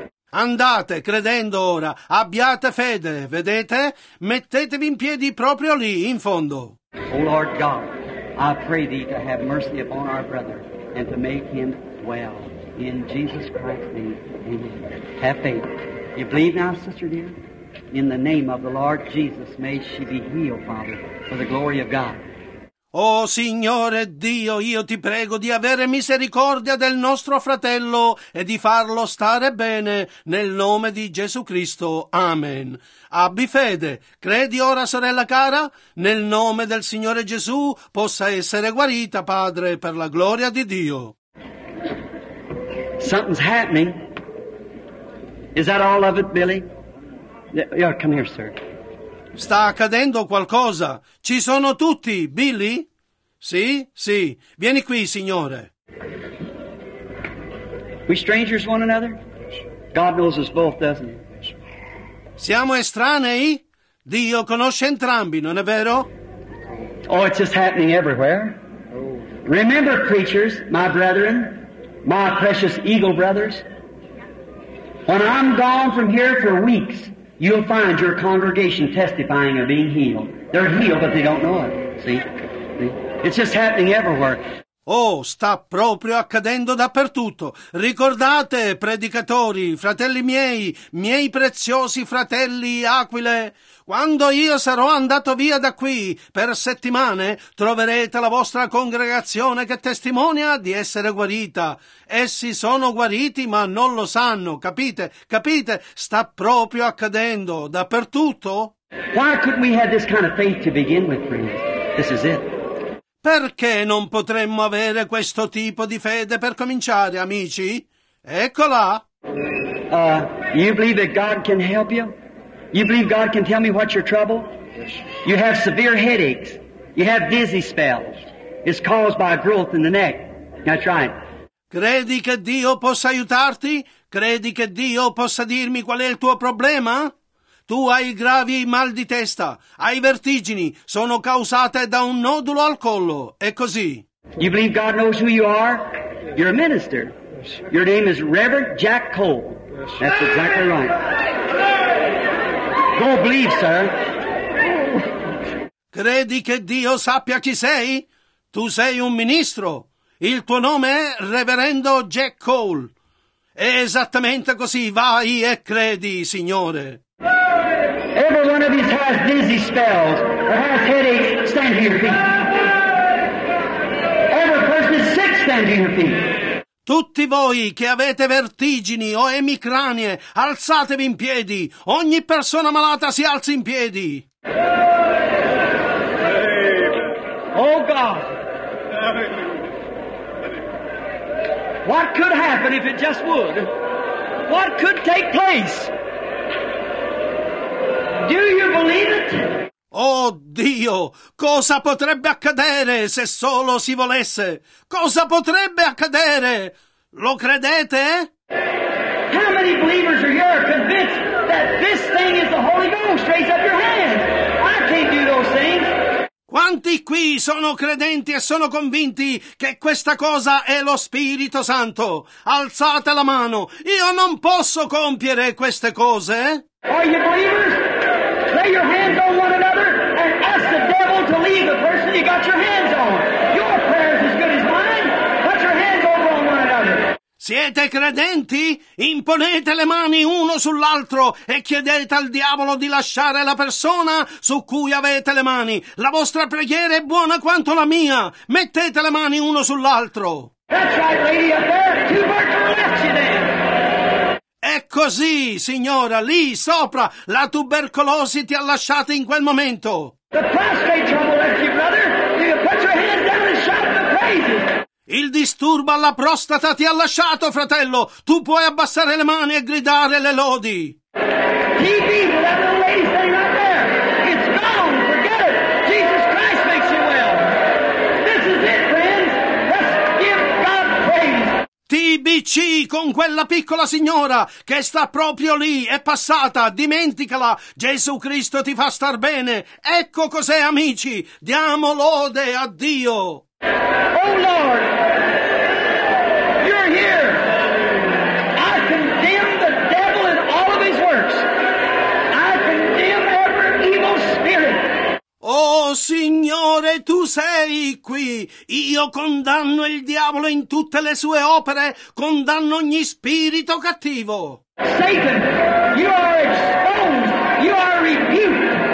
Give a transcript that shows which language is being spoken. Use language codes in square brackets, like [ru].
[it] Andate, credendo ora, abbiate fede, vedete? Mettetevi in piedi proprio lì, in fondo. [en] O Lord God, I pray thee to have mercy upon our brother and to make him well. In Jesus Christ's name, amen. Have faith. You believe now, sister dear? In the name of the Lord Jesus, may she be healed, Father, for the glory of God. [it] Oh, Signore Dio, io ti prego di avere misericordia del nostro fratello e di farlo stare bene, nel nome di Gesù Cristo. Amen. Abbi fede. Credi ora, sorella cara? Nel nome del Signore Gesù possa essere guarita, Padre, per la gloria di Dio. [en] Something's happening. Is that all of it, Billy? Yeah, come here, sir. [it] Sta accadendo qualcosa. Ci sono tutti, Billy? Sì, sì. Vieni qui, signore. [en] We strangers one another? God knows us both, doesn't he? [it] Siamo estranei? Dio conosce entrambi, non è vero? [en] Oh, it's just happening everywhere. Remember, preachers, my brethren, my precious eagle brothers, when I'm gone from here for weeks, you'll find your congregation testifying of being healed. They're healed, but they don't know it. See? It's just happening everywhere. [it] Oh, sta proprio accadendo dappertutto. Ricordate, predicatori, fratelli miei preziosi fratelli Aquile, quando io sarò andato via da qui per settimane, troverete la vostra congregazione che testimonia di essere guarita. Essi sono guariti, ma non lo sanno, capite? Capite? Sta proprio accadendo dappertutto. [en] Why couldn't we have this kind of faith to begin with, friends? This is it. [it] Perché non potremmo avere questo tipo di fede per cominciare, amici? Eccola! [en] You believe that God can help you? You believe God can tell me what's your trouble? You have severe headaches. You have dizzy spells. It's caused by a growth in the neck. That's right. [it] Credi che Dio possa aiutarti? Credi che Dio possa dirmi qual è il tuo problema? Tu hai gravi mal di testa, hai vertigini, sono causate da un nodulo al collo, è così. [en] You believe God knows who you are? You're a minister. Your name is Reverend Jack Cole. That's exactly right. Go believe, sir. [it] Credi che Dio sappia chi sei? Tu sei un ministro. Il tuo nome è Reverendo Jack Cole. È esattamente così, vai e credi, Signore. [en] Every one of you has dizzy spells or has headaches, stand to your feet. Every person is sick, stand to your feet. [it] Tutti voi che avete vertigini o emicranie, alzatevi in piedi. Ogni persona malata si alzi in piedi. [en] Oh God. What could happen if it just would? What could take place? Do you believe it? [it] Oh Dio, cosa potrebbe accadere se solo si volesse? Cosa potrebbe accadere? Lo credete? [en] How many believers are here convinced that this thing is the Holy Ghost? Raise up your hand. I can't do those things. [it] Quanti qui sono credenti e sono convinti che questa cosa è lo Spirito Santo? Alzate la mano. Io non posso compiere queste cose. [en] Are you believers? Lay your hands on one another and ask the devil to leave the person you got your hands on. Your prayer is as good as mine. Put your hands over on one another. [it] Siete credenti? Imponete le mani uno sull'altro e chiedete al diavolo di lasciare la persona su cui avete le mani. La vostra preghiera è buona quanto la mia. Mettete le mani uno sull'altro. [en] That's right, lady up there. Two birds will let you then. [it] È così, signora, lì sopra, la tubercolosi ti ha lasciato in quel momento. [en] The prostate trouble left you, brother. You put your hands down and shout the praises. [it] Il disturbo alla prostata ti ha lasciato, fratello. Tu puoi abbassare le mani e gridare le lodi. [en] TV, that little lady stay right there. It's gone, forget it. Jesus Christ makes you well. This is it, friends. Let's give God praise. TV, [it] Dici con quella piccola signora che sta proprio lì, è passata, dimenticala, Gesù Cristo ti fa star bene. Ecco cos'è, amici, diamo lode a Dio. [en] Oh Lord, you're here. I condemn the devil and all of his works. I condemn every evil spirit. [it] Oh Signore, tu sei qui. Io condanno il diavolo in tutte le sue opere, condanno ogni spirito cattivo. [en] Satan, you are exposed, you are rebuked.